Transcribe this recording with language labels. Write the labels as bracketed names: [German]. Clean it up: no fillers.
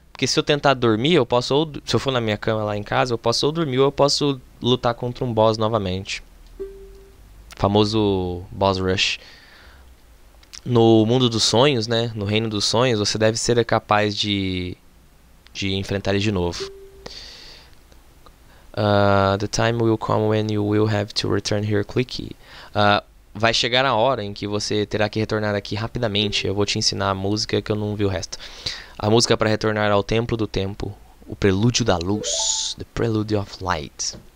[Portuguese] Porque se eu tentar dormir, se eu for na minha cama lá em casa, eu posso ou dormir ou eu posso lutar contra um boss novamente. O famoso boss rush. No mundo dos sonhos, né? No reino dos sonhos, você deve ser capaz de enfrentar ele de novo. [English] The time will come when you will have to return here quickly. [Portuguese] Vai chegar a hora em que você terá que retornar aqui rapidamente. Eu vou te ensinar a música que eu não vi o resto. A música para retornar ao templo do tempo. O prelúdio da luz. [English] The prelude of light.